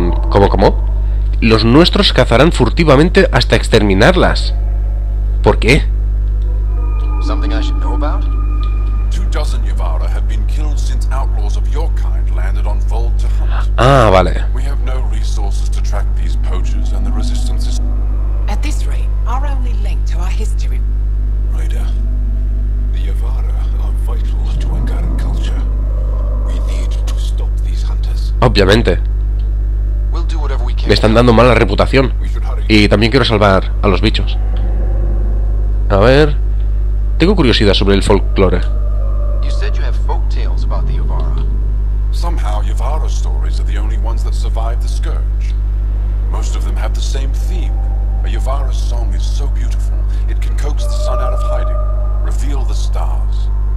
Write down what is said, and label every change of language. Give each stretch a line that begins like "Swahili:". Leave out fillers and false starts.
Spanish: ¿Cómo? Los nuestros cazarán furtivamente hasta exterminarlas. ¿Por qué?
English: Something I should know about? Two dozen Yevara have been killed since outlaws of your kind landed on Vold to hunt.
Spanish: Ah, vale.
English: We have no resources to track these poachers and the resistance is... At this rate, our only link to our history... Raider, the Yevara are vital to Angaran culture. We need to stop these hunters.
Spanish: Obviamente.
English: We'll do whatever we can.
Spanish: Me están dando mala reputación. Y también quiero salvar a los bichos. A ver... Tengo curiosidad sobre el folclore.
English: You said you have folk tales about the Yevara. Somehow Yevara stories are the only ones that survive the scourge. Most of them have the same theme. A Yevara song is so beautiful, it can coax the sun out of hiding, reveal the stars.